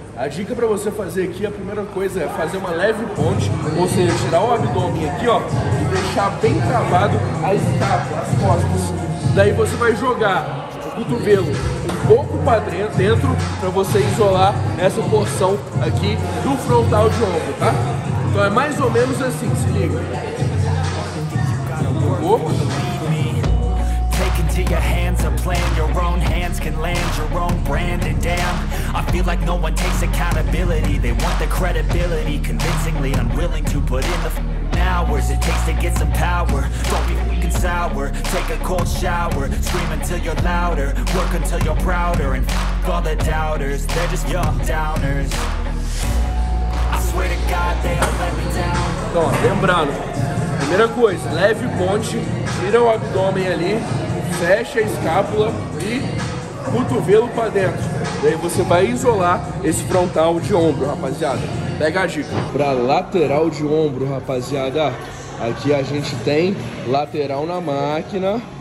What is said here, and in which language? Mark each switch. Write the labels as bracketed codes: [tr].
[pt] A dica pra você fazer aqui, a primeira coisa é fazer uma leve ponte, ou seja, tirar o abdômen aqui, ó, e deixar bem travado a escápula, as costas. Daí você vai jogar o cotovelo um pouco pra dentro, pra você isolar essa porção aqui do frontal de ombro, tá? Então é mais ou menos assim, se liga. Jogou. [en] Your hands a plan, your own hands can land your own brand. And damn, I feel like no one takes accountability. They want the credibility, convincingly unwilling to put in the hours it takes to get some power. Don't be weak and sour, take a cold shower, scream until you're louder, work until you're prouder. And all the doubters, they're just your downers. I swear to God they all let me down. [pt] Então, lembrando, primeira coisa, leve ponte, tira o abdômen ali, fecha a escápula e cotovelo para dentro. Daí você vai isolar esse frontal de ombro, rapaziada. Pega a dica. Para lateral de ombro, rapaziada, aqui a gente tem lateral na máquina.